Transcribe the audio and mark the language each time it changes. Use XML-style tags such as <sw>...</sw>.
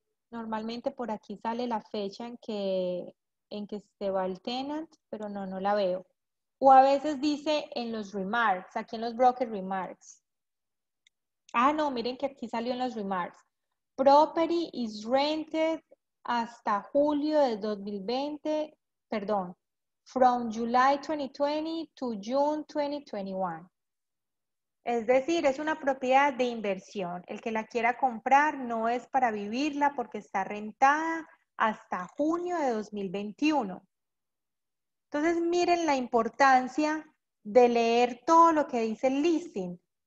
<es>Normalmente por aquí sale la fecha en que se va el tenant, pero no la veo. O a veces dice en los remarks, aquí en los broker remarks. Ah, no, miren que aquí salió en los remarks.</es> <en>Property is rented</en> <es>hasta julio de 2020, perdón,</es> <en>from July 2020 to June 2021.</en> <es>Es decir, es una propiedad de inversión. El que la quiera comprar no es para vivirla porque está rentada hasta junio de 2021. Entonces, miren la importancia de leer todo lo que dice el listing.</es>